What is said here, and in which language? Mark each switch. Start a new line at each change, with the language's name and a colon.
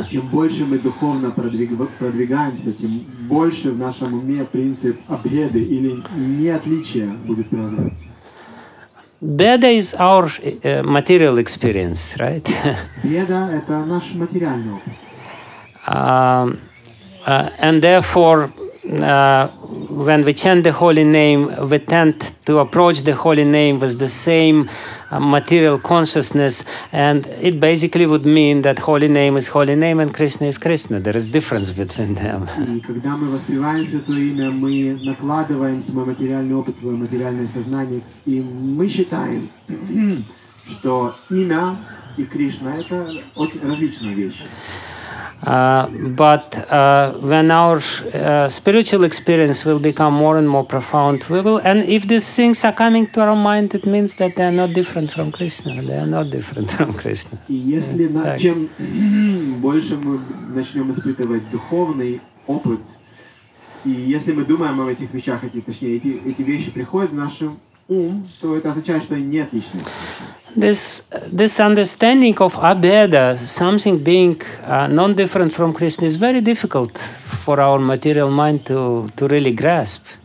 Russian: Чем больше мы духовно продвигаемся, тем больше в нашем уме принцип обхеды или неотличия будет проявляться.
English: Bheda is our material experience, right?
Russian: Bheda – это наш материальный опыт.
English: And therefore, when we chant the holy name, we tend to approach the holy name with the same material consciousness, and it basically would mean that holy name is holy name and Krishna is Krishna. There is difference between them.
Russian: Когда мы воспеваем святое имя, мы накладываем свой материальный опыт, свое материальное сознание, и мы считаем, что имя и Кришна – это различные вещи.
English: But when our spiritual experience will become more and more profound, we will. And if these things are coming to our mind, it means that they are not different from Krishna. They are not different from Krishna.
Russian: Если на чем больше мы начнем испытывать духовный опыт, и если мы думаем об этих вещах, эти вещи приходят в наш ум, то это означает, что они не отличны.
English: This understanding of abheda, something being non-different from Krishna, is very difficult for our material mind to really grasp.